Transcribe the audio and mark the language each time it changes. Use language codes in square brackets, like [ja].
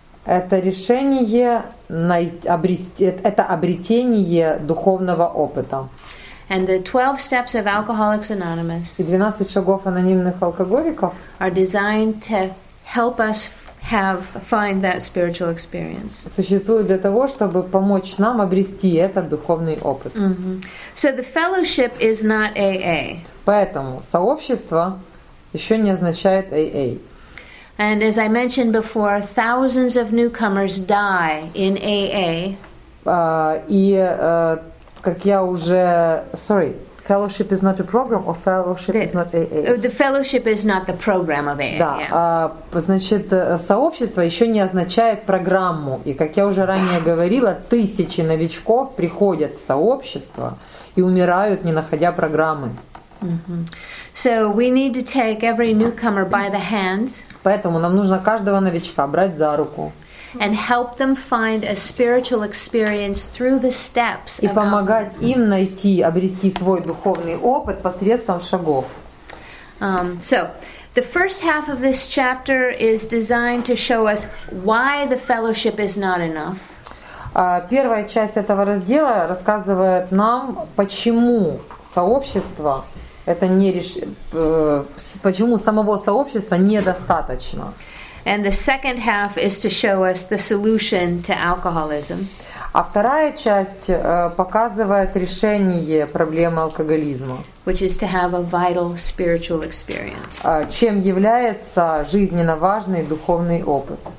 [ru] Это решение обрести, это обретение духовного опыта. [en] And the 12 steps of Alcoholics Anonymous. [ru] И 12 шагов анонимных алкоголиков. [en] Are designed to help us find that spiritual experience. [ru] Существуют для того, чтобы помочь нам обрести этот духовный опыт. [en] Mm-hmm. So the fellowship is not AA. [ru] Поэтому сообщество еще не означает AA. [en] And as I mentioned before, thousands of newcomers die in AA. Fellowship is not a program, or fellowship is not AA. The fellowship is not the program of AA. [ru] Да, значит, сообщество еще не означает программу. И как я уже ранее говорила, тысячи новичков приходят в сообщество и умирают, не находя программы. Mm-hmm. [en] So we need to take every newcomer by the hand. [ru] Поэтому нам нужно каждого новичка брать за руку. [en] And help them find a spiritual experience through the steps. [ru] И помогать им найти, обрести свой духовный опыт посредством шагов. [en] So the first half of this chapter is designed to show us why the fellowship is not enough. [ru] Первая часть этого раздела рассказывает нам, почему сообщество. Это не почему самого сообщества недостаточно. [en] And the second half is to show us the solution to alcoholism. [ru] А вторая часть показывает решение проблемы алкоголизма. [en] Which is to have a vital spiritual experience. [ru] Чем является жизненно важный духовный опыт.